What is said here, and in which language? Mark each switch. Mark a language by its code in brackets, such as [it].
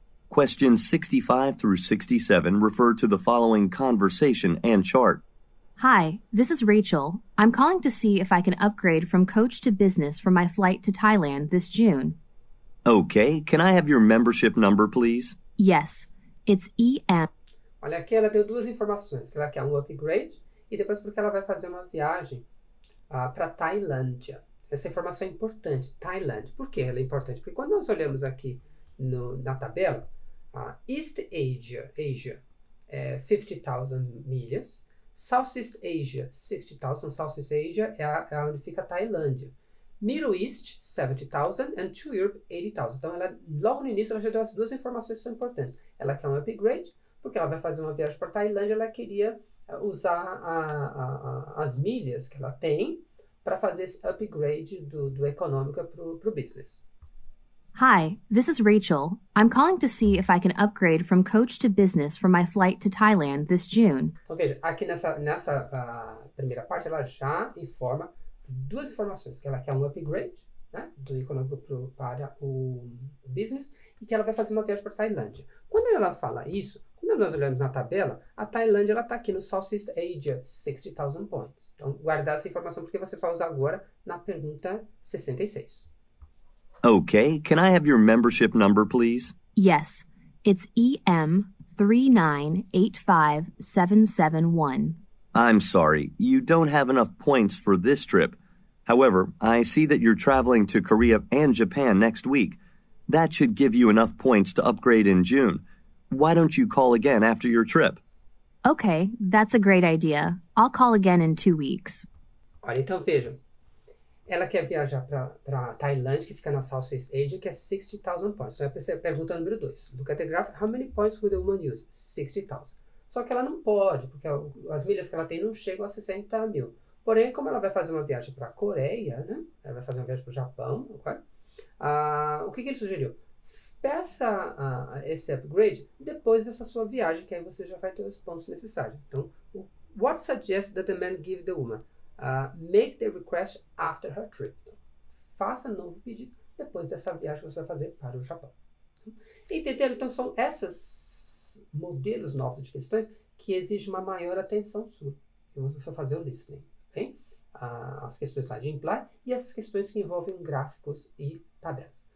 [en] Questions 65 through 67 refer to the following conversation and chart. Hi, this is Rachel. I'm calling to see if I can upgrade from coach to business for my flight to Thailand this June. Okay, can I have your membership number, please? Yes, it's EM. [pt] Olha aqui, ela deu duas informações, que ela quer um upgrade e depois porque ela vai fazer uma viagem para Tailândia. Essa informação é importante, Tailândia. Por que ela é importante? Porque quando nós olhamos aqui no, na tabela, East Asia, 50,000 milhas. Southeast Asia, 60,000. Southeast Asia é onde fica a Tailândia. [en] Middle East, 70,000. And to Europe, 80,000. [pt] Então, ela, logo no início, ela já deu as duas informações que são importantes. Ela quer um upgrade, porque ela vai fazer uma viagem para a Tailândia. Ela queria usar as milhas que ela tem para fazer esse upgrade do econômico para o business. [en] Hi, this is Rachel. I'm calling to see if I can upgrade from coach to business for my flight to Thailand this June. [pt] Então, veja, aqui nessa primeira parte, ela já informa duas informações, que ela quer um upgrade, né, do econômico para o business, e que ela vai fazer uma viagem para a Tailândia. Quando ela fala isso, quando nós olhamos na tabela, a Tailândia está aqui no Southeast Asia, 60,000 points. Então, guarda essa informação, porque você vai usar agora na pergunta 66. [en] Okay, can I have your membership number, please? Yes, it's EM3985771. I'm sorry, you don't have enough points for this trip. However, I see that you're traveling to Korea and Japan next week. That should give you enough points to upgrade in June. Why don't you call again after your trip? Okay, that's a great idea. I'll call again in 2 weeks. [pt] Olha, então veja. Ela quer viajar para a Tailândia, que fica na Southeast Asia, que é 60,000 points. Então, é a pergunta número 2. [en] Look at the graph, how many points would a woman use? 60,000. [pt] Só que ela não pode, porque as milhas que ela tem não chegam a 60 mil. Porém, como ela vai fazer uma viagem para a Coreia, né? Ela vai fazer uma viagem para o Japão, okay? O que ele sugeriu? Peça esse upgrade depois dessa sua viagem, que aí você já vai ter os pontos necessários. [en] Então, what suggests that the man give the woman? Make the request after her trip. [pt] Faça novo pedido depois dessa viagem que você vai fazer para o Japão. Entenderam? Então, são esses modelos novos de questões que exigem uma maior atenção sua. Então, você vai fazer o listening. Okay? As questões lá de imply e essas questões que envolvem gráficos e tabelas.